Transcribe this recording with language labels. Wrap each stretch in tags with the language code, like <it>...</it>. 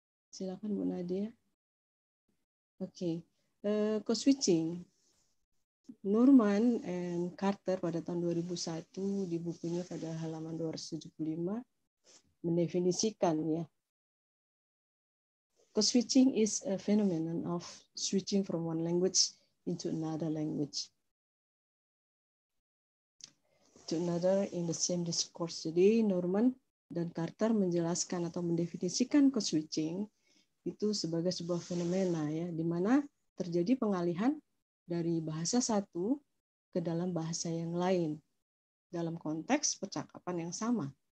<id>Silakan Bu Nadia. Oke. Code switching. Norman and Carter pada tahun 2001 di bukunya pada halaman 275 mendefinisikan ya.</id> <en>Code switching is a phenomenon of switching from one language into another language. To another in the same discourse.</en> <id>Jadi Norman dan Carter menjelaskan atau mendefinisikan code switching itu sebagai sebuah fenomena ya, di mana terjadi pengalihan dari bahasa satu ke dalam bahasa yang lain dalam konteks percakapan yang sama.</id>